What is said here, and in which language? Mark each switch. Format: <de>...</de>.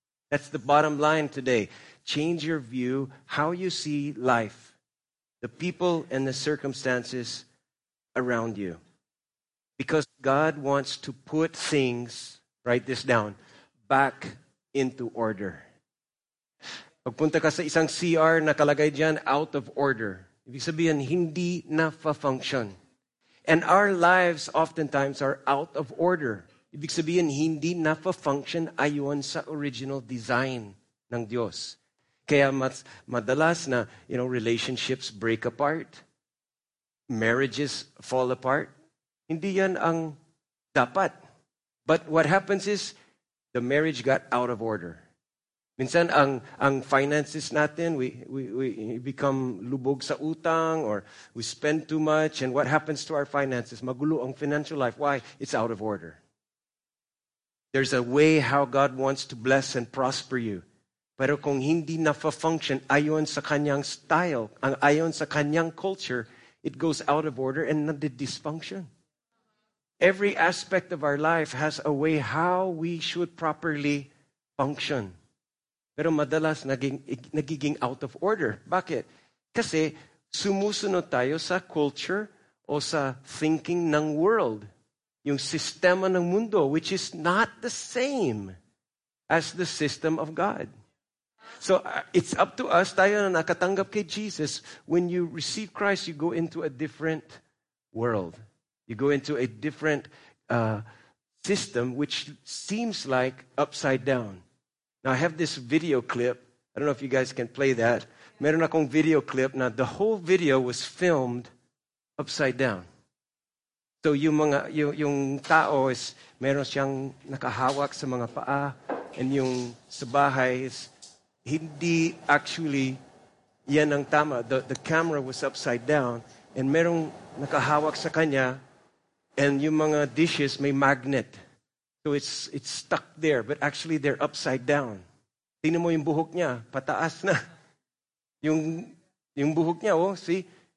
<en>That's the bottom line today. Change your view, how you see life, the people and the circumstances around you. Because God wants to put things, write this down, back into order.</en> <tl>Pagpunta ka sa isang CR na kalagay dyan,</tl> <en>out of order.</en> <tl>Ibig sabihin, hindi na fa-function.</tl> <en>And our lives oftentimes are out of order.</en> <tl>Ibig sabihin, hindi na fa-function ayon sa original design ng Diyos. Kaya madalas na,</tl> <en>you know, relationships break apart. Marriages fall apart.</en> <tl>Hindi yan ang dapat.</tl> <en>But what happens is, the marriage got out of order.</en> <tl>Minsan ang</tl> <en>finances</en> <tl>natin,</tl> <en>we become</en> <tl>lubog sa utang</tl> <en>or we spend too much. And what happens to our finances?</en> <tl>Magulo ang</tl> <en>financial life. Why? It's out of order. There's a way how God wants to bless and prosper you.</en> <tl>Pero kung hindi na fa-function ayon sa kanyang style, ayon sa kanyang culture,</tl> <en>it goes out of order and na dysfunction. Every aspect of our life has a way how we should properly function.</en> <tl>Pero madalas nagiging</tl> <en>out of order.</en> <tl>Bakit? Kasi sumusunod tayo sa culture o sa thinking ng world. Yung sistema ng mundo,</tl> <en>which is not the same as the system of God. So it's up to us,</en> <tl>tayo na nakatanggap kay</tl> <en>Jesus. When you receive Christ, you go into a different world. You go into a different system, which seems like upside down. Now, I have this video clip. I don't know if you guys can play that.</en> <tl>Meron akong</tl> <en>video clip. Now, the whole video was filmed upside down.</en> <tl>So, yung tao is meron siyang nakahawak sa mga paa. And yung sa bahay is hindi actually yan ang tama.</tl> <en>The camera was upside down. And</en> <tl>merong nakahawak sa kanya.</tl> <en>And</en> <tl>yung mga</tl> <en>dishes may magnet. So it's stuck there, but actually they're upside down.</en> <tl>Tingnan mo yung buhok niya, pataas na. Yung buhok niya, oh,</tl> <en>see?</en>